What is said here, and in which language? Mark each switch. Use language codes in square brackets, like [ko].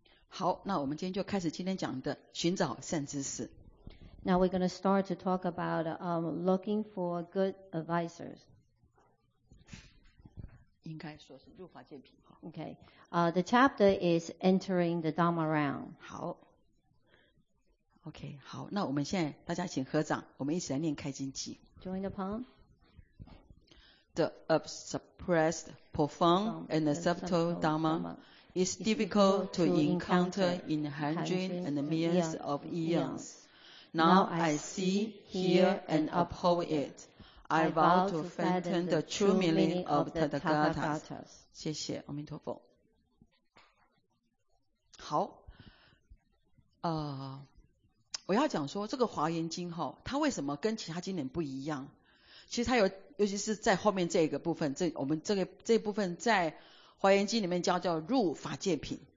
[zh] 好，那我们今天就开始今天讲的寻找善知识。 [en] Now we're going to start to talk about looking for good advisors. [zh] 应该说是入华见品。 [en] Okay. The chapter is entering the Dharma realm. [zh] 好。 [en] Okay, [zh] 好。那我们现在大家请合掌，我们一起来念开经偈。 [en] Join the palm. The suppressed, profound, and subtle Dharma is difficult to encounter in hundreds and millions of eons. Now I see, hear, and uphold it. I vow to fathom the true meaning of the Tathagatas. [zh] 谢谢，阿弥陀佛。好，我要讲说这个华严经哈，它为什么跟其他经典不一样？其实它有，尤其是在后面这个部分，这我们这个这部分在华严经里面叫入法界品。